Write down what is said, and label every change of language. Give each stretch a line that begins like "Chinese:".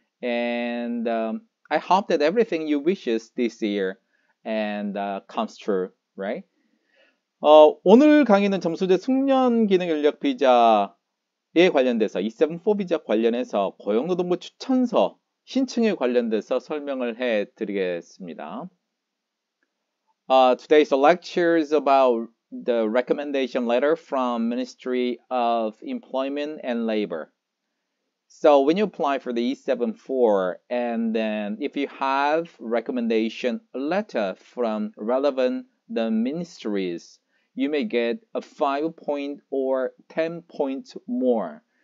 English: And I hope that everything you wishes this year and comes true, right?
Korean: 오늘 강의는 점수제 숙련 기능 인력 비자에 관련돼서 E7-4 비자 관련해서 고용노동부 추천서 신청에 관련돼서 설명을 해드리겠습니다.
English: Today's lecture is about the recommendation letter from Ministry of Employment and Labor. So when you apply for the E7-4 and then if you have recommendation letter from relevant ministries, you may get a 5-point or 10-point more.